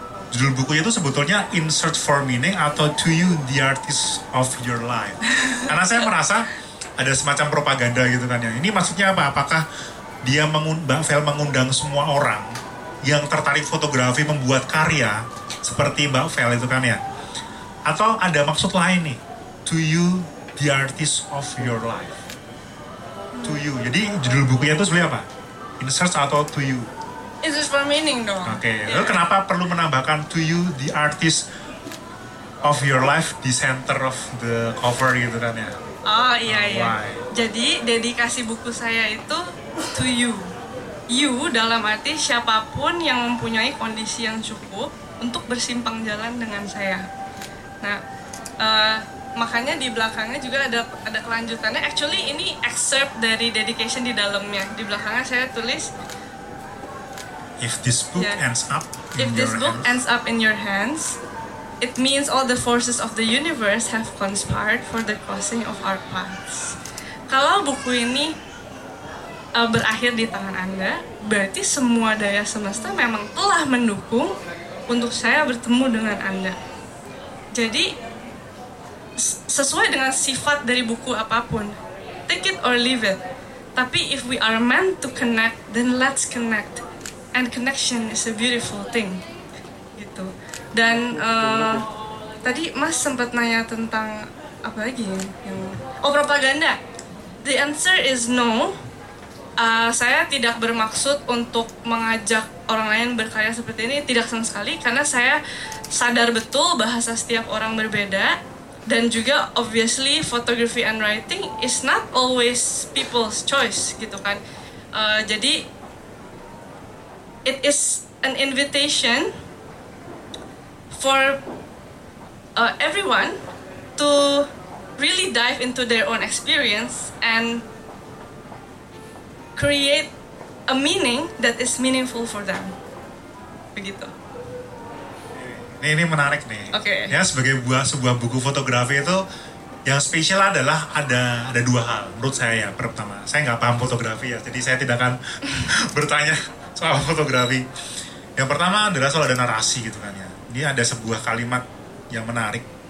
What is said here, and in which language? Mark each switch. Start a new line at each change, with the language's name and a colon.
Indonesian: Judul bukunya itu sebetulnya In Search for Meaning atau To You, The Artist of Your Life. Karena saya merasa ada semacam propaganda gitu kan ya. Ini maksudnya apa? Apakah dia Mbak Vel mengundang semua orang yang tertarik fotografi membuat karya seperti Mbak Vel itu kan ya? Atau ada maksud lain nih?
English: To you, the artist of your life. To you.
Indonesian: Jadi judul bukunya itu sebenarnya apa? In Search atau To You?
English: It's just for meaning dong.
Indonesian: Oke. Okay. Yeah. Kenapa perlu menambahkan to you, the artist of your life,
English: the center of the cover
Indonesian: gitu kan ya? Oh iya iya. Jadi dedikasi buku saya itu to you. You dalam arti siapapun yang mempunyai kondisi yang cukup untuk bersimpang jalan dengan saya. Nah, makanya di belakangnya juga ada kelanjutannya. Actually ini excerpt dari dedication di dalamnya. Di belakangnya saya tulis,
English: if this book ends up in if this book ends up in your hands, it means all the forces of the universe have conspired for the crossing of our paths.
Indonesian: Kalau buku ini berakhir di tangan Anda, berarti semua daya semesta memang telah mendukung untuk saya bertemu dengan Anda. Jadi, sesuai dengan sifat dari buku apapun,
English: take it or leave it.
Indonesian: Tapi
English: if we are meant to connect, then let's connect. And connection is a beautiful thing.
Indonesian: Gitu. Dan tadi Mas sempat nanya tentang apa lagi yang propaganda.
English: The answer is no.
Indonesian: Saya tidak bermaksud untuk mengajak orang lain berkarya seperti ini, tidak sama sekali, karena saya sadar betul bahasa setiap orang berbeda, dan juga
English: obviously photography and writing is not always people's choice
Indonesian: gitu kan. Jadi
English: it is an invitation for everyone to really dive into their own experience and create a meaning that is meaningful for them.
Indonesian: Begitu. Ini menarik nih. Oke. Okay. Ya, sebagai sebuah buku fotografi itu yang spesial adalah ada dua hal menurut saya ya. Pertama, saya nggak paham fotografi ya, jadi saya tidak akan bertanya soal fotografi. Yang pertama adalah soal ada narasi gitu kan ya. Ini ada sebuah kalimat yang menarik.